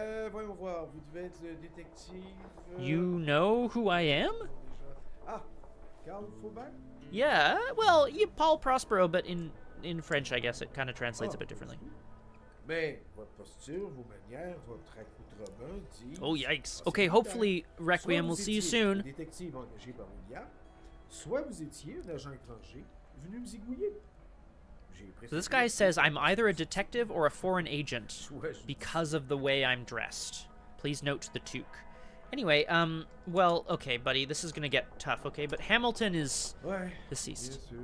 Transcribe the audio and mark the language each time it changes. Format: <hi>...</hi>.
<fr>Voyons voir, vous devez être le détective...</fr> <en>You know who I am?</en> <fr>Ah, Carl Faubin?</fr> <en>Yeah, well, you Paul Prospero, but in French, I guess, it kind of translates a bit differently.</en> <fr>Mais votre posture, vos manières, votre accoutrement dit...</fr> <en>Oh, yikes. Okay, hopefully, Requiem will see you soon.</en> <fr>Soit vous étiez un détective engagé par William, soit vous étiez un agent étranger venu me zigouiller.</fr> <en>So this guy says I'm either a detective or a foreign agent because of the way I'm dressed. Please note the toque. Anyway, well, okay, buddy, this is going to get tough, okay? But Hamilton is deceased.</en>